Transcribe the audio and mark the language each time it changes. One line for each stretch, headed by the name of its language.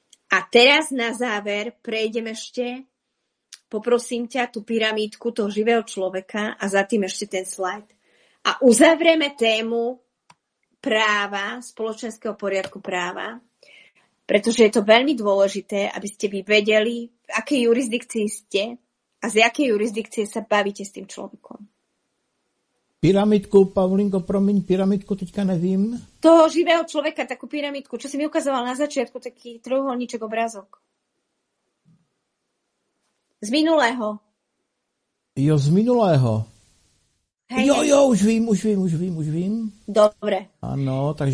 Slovak: A teraz na záver prejdem ešte, poprosím ťa, tú pyramídku toho živého človeka a za tým ešte ten slajd. A uzavrieme tému práva, spoločenského poriadku práva, pretože je to veľmi dôležité, aby ste vy vedeli, v akej jurisdikcii ste a z jakej jurisdikcie sa bavíte s tým človekom.
Czech: Pyramidku, Pavlinko, promiň, pyramidku teďka nevím.
Slovak: Toho živého človeka, takú pyramidku, čo si mi ukazoval na začiatku, taký trojuholníček obrázok. Z minulého.
Czech: Jo, z minulého. Hej, jo, jo, už vím.
Slovak: Dobre. Áno, takže